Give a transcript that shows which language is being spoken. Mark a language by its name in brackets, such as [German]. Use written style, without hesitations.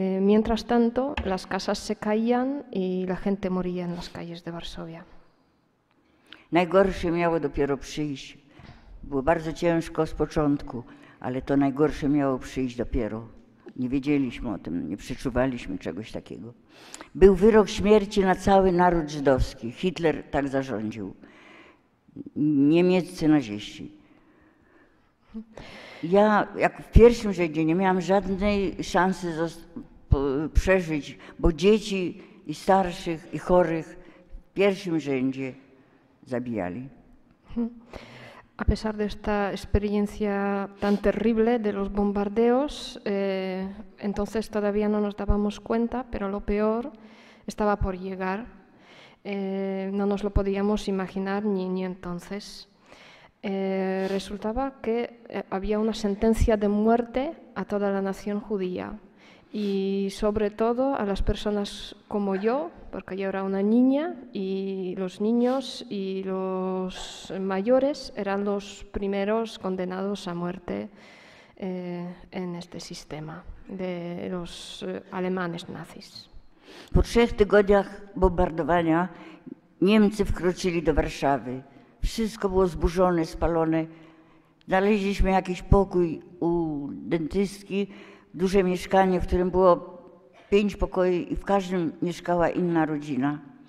[Spanish] Mientras tanto, las casas se caían y la gente moría en las calles de Varsovia. [Polish] Najgorsze miało dopiero przyjść. Było bardzo ciężko z początku, ale to najgorsze miało przyjść dopiero. Nie wiedzieliśmy o tym, nie przeczuwaliśmy czegoś takiego. Był wyrok śmierci na cały naród żydowski. Hitler tak zarządził. Niemieccy naziści. Ja, jak w pierwszym rzędzie, nie miałam żadnej szansy przeżyć, bo dzieci i starszych, i chorych w pierwszym rzędzie zabijali. [Spanish] A pesar de esta experiencia tan terrible de los bombardeos, entonces todavía no nos dábamos cuenta, pero lo peor estaba por llegar. No nos lo podíamos imaginar ni entonces. Resultaba que había una sentencia de muerte a toda la nación judía y sobre todo a las personas como yo, porque yo era una niña y los niños y los mayores eran los primeros condenados a muerte en este sistema de los alemanes nazis. [Polish] Po trzech tygodniach bombardowania Niemcy wkroczyli do Warszawy. Wszystko było zburzone, spalone. Znaleźliśmy jakiś pokój u dentystki, duże mieszkanie, w którym było 5 pokoi i w każdym mieszkała inna rodzina.